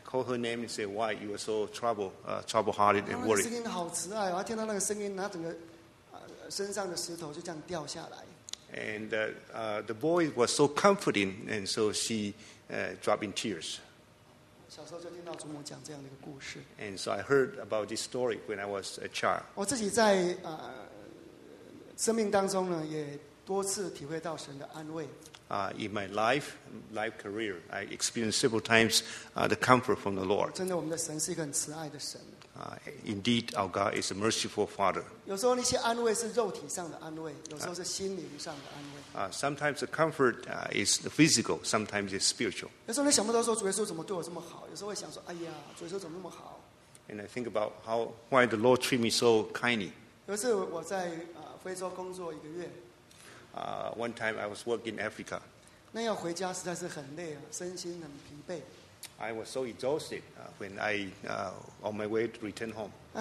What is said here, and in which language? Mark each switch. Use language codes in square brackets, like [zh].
[en] call her name and say why you are so trouble-hearted and worried. [zh] 声音好慈爱，我听到那个声音，她整个身上的石头就这样掉下来。 [en] And the voice was so comforting, and so she dropped in tears. [zh] 小时候就听到祖母讲这样的一个故事。 [en] And so I heard about this story when I was a child. [zh] 我自己在 生命当中呢，也多次体会到神的安慰。 [en] In my life career, I experienced several times the comfort from the Lord. [zh] 真的，我们的神是一个很慈爱的神。 [en] Indeed, our God is a merciful Father. [zh] 有时候那些安慰是肉体上的安慰，有时候是心灵上的安慰。 [en] Sometimes the comfort is the physical, sometimes it's spiritual. [zh] 有时候你想不到说主耶稣怎么对我这么好，有时候会想说，哎呀，主耶稣怎么那么好？ [en] And I think about why the Lord treat me so kindly. [zh] 有一次我在 非洲工作一个月。 [en] One time I was working in Africa. [zh] 那要回家实在是很累啊，身心很疲惫。 [en] I was so exhausted when I on my way to return home.